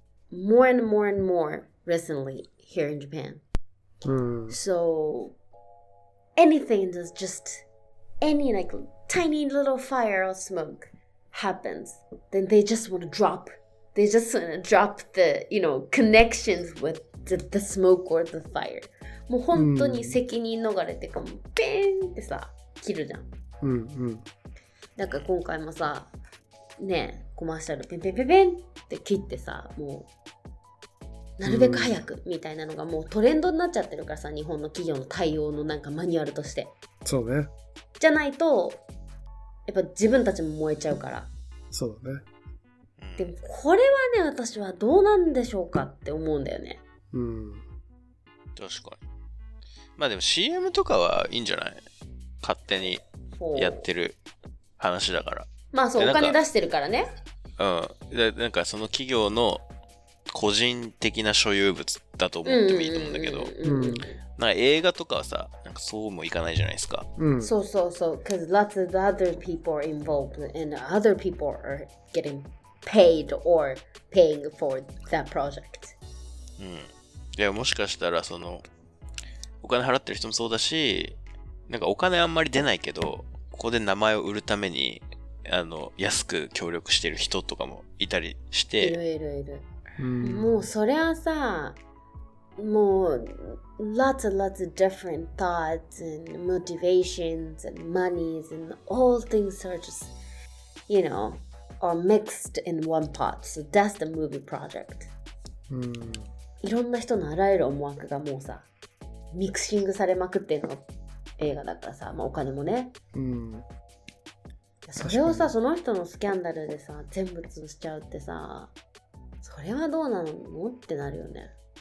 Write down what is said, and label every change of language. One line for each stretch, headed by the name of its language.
English: More and more and more. Recently, here in Japan.、So, anything that's just any like tiny little fire or smoke happens, then they just want to drop. They just want to drop the, you know, connections with the smoke or the fire.
Japanese: もう本当に責任逃れてかも、ビーンってさ、切るじゃん。だから今回もさ、ね、コマーシャル、ビンビンビンビンって切ってさ、もう。なるべく早くみたいなのがもうトレンドになっちゃってるからさ、うん、日本の企業の対応のなんかマニュアルとしてそうねじゃないとやっぱ自分たちも燃えちゃうからそうだねでもこれはね私はどうなんでしょうかって思うんだよねうん確かにまあでも CM とかはいいんじゃない勝手にやってる話だからまあそうお金出してるからねうんでなんかその企業の個人的な所有物だと思ってもいいと思うんだけど、なんか映画とかはさ、なんかそうもいかないじゃないですか。そうそうそう、
English: because lots of other people are involved and other people are getting paid or paying for that project.
Japanese: いやもしかしたらそのお金払ってる人もそうだし、なんかお金あんまり出ないけどここで名前を売るためにあの安く協力してる人とかもいたりして。いるいるいる。うん、もうそれはさもう
English: lots and lots of different thoughts and motivations and monies and all things are just you know are mixed in one pot so that's the movie project、うん、
Japanese: いろんな人のあらゆる思惑がもうさミクシングされまくっての映画だからさ、まあ、お金もね、うん、それをさその人のスキャンダルでさ全部潰しちゃうってさそれはどうなのってなるよね。